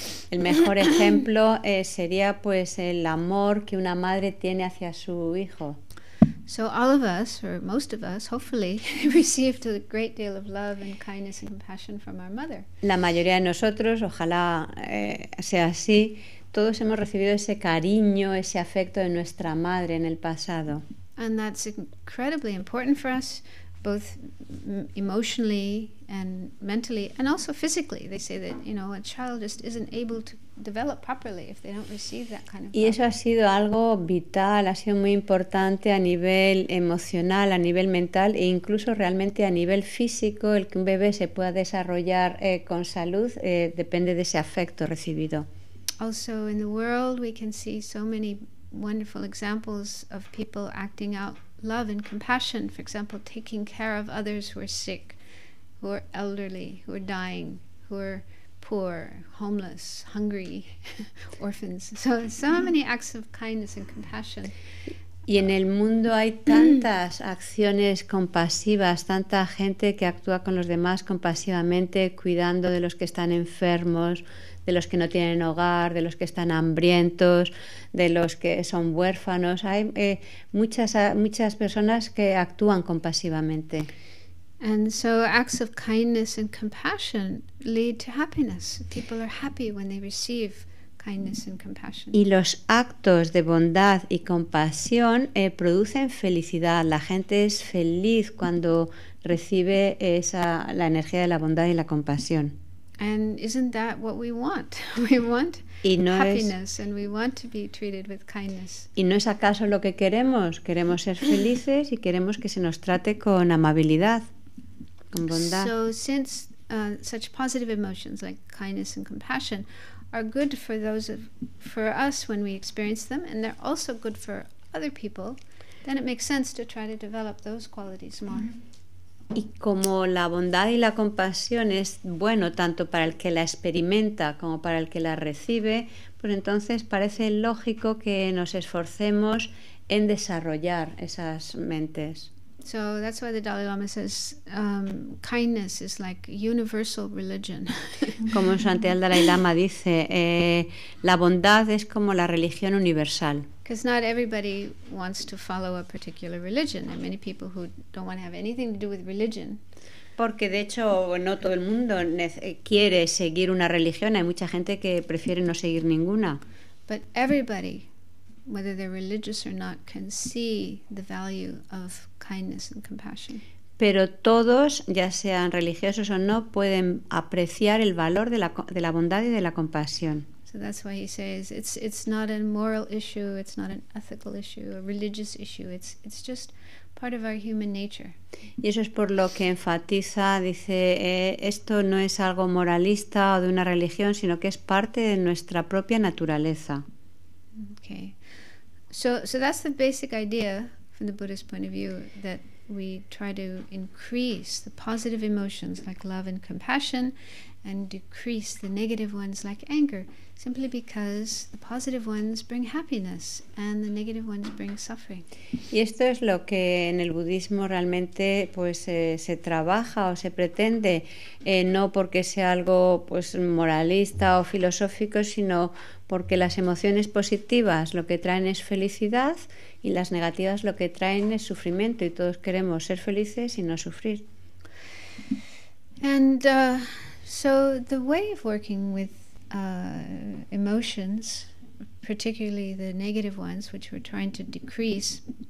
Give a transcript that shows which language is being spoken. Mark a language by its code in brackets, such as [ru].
[es] El mejor ejemplo sería pues el amor que una madre tiene hacia su hijo. [en] So all of us, or most of us, hopefully, received a great deal of love and kindness and compassion from our mother. [es] La mayoría de nosotros, ojalá sea así, todos hemos recibido ese cariño, ese afecto de nuestra madre en el pasado. [en] And that's incredibly important for us, both emotionally and mentally, and also physically. They say that, you know, a child just isn't able to develop properly if they don't receive that kind of love. [es] Y eso ha sido algo vital, ha sido muy importante a nivel emocional, a nivel mental e incluso realmente a nivel físico, el que un bebé se pueda desarrollar con salud depende de ese afecto recibido. [en] Also in the world we can see so many wonderful examples of people acting out love and compassion, for example, taking care of others who are sick, who are elderly, who are dying, who are poor, homeless, hungry, orphans. So many acts of kindness and compassion. [es] Y en el mundo hay tantas acciones compasivas, tanta gente que actúa con los demás compasivamente, cuidando de los que están enfermos, de los que no tienen hogar, de los que están hambrientos, de los que son huérfanos. Hay muchas personas que actúan compasivamente. [en] And so acts of kindness and compassion lead to happiness. People are happy when they receive kindness and compassion. [es] Y los actos de bondad y compasión producen felicidad. La gente es feliz cuando recibe la energía de la bondad y la compasión. [en] And isn't that what we want? We want happiness and we want to be treated with kindness. [es] ¿Y no es acaso lo que queremos? Queremos ser felices y queremos que se nos trate con amabilidad, con bondad. [en] So since such positive emotions like kindness and compassion are good for for us when we experience them, and they're also good for other people, then it makes sense to try to develop those qualities more. [es] Y como la bondad y la compasión es bueno tanto para el que la experimenta como para el que la recibe, pues entonces parece lógico que nos esforcemos en desarrollar esas mentes. [en] So that's why the Dalai Lama says kindness is like universal religion. [es] Como Santi el Dalai Lama dice, la bondad es como la religión universal. [en] Because not everybody wants to follow a particular religion. There are many people who don't want to have anything to do with religion. [es] Porque de hecho no todo el mundo quiere seguir una religión. Hay mucha gente que prefiere no seguir ninguna. [en] But everybody, whether they're religious or not, can see the value of kindness and compassion. [es] Pero todos, ya sean religiosos o no, pueden apreciar el valor de la bondad y de la compasión. [en] So that's why he says it's not a moral issue, it's not an ethical issue, a religious issue. It's just part of our human nature. [es] Y eso es por lo que enfatiza, dice, esto no es algo moralista o de una religión, sino que es parte de nuestra propia naturaleza. [en] Okay. So that's the basic idea from the Buddhist point of view, that we try to increase the positive emotions like love and compassion and decrease the negative ones like anger, simply because the positive ones bring happiness and the negative ones bring suffering. [es] Y esto es lo que en el budismo realmente pues se trabaja o se pretende, no porque sea algo pues moralista o filosófico, sino porque las emociones positivas lo que traen es felicidad y las negativas lo que traen es sufrimiento, y todos queremos ser felices y no sufrir. [en] And so the way of working with emotions, particularly the negative ones, which we're trying to decrease.